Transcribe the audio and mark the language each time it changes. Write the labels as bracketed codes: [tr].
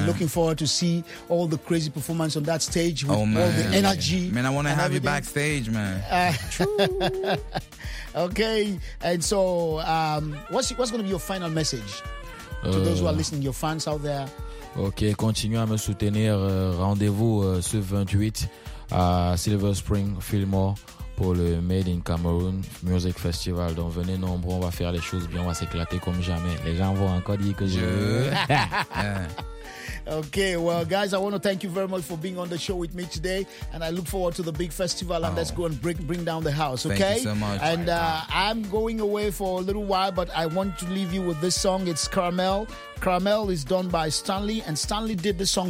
[en] I'm looking forward to see all the crazy performance on that stage with all the energy. Man, I want to have everything. You backstage, man. Okay, and so what's going to be your final message? To those who are listening, your fans out there. [fr] Ok, continuez à me soutenir. Rendez-vous ce 28 à Silver Spring Fillmore pour le Made in Cameroon Music Festival. Donc venez nombreux, on va faire les choses bien, on va s'éclater comme jamais. Les gens vont encore dire que je... [en] Okay, well, guys, I want to thank you very much for being on the show with me today. And I look forward to the big festival. And let's go and bring down the house, okay? Thank you so much. And I'm going away for a little while, but I want to leave you with this song. It's Caramel. Caramel is done by Stanley. And Stanley did this song.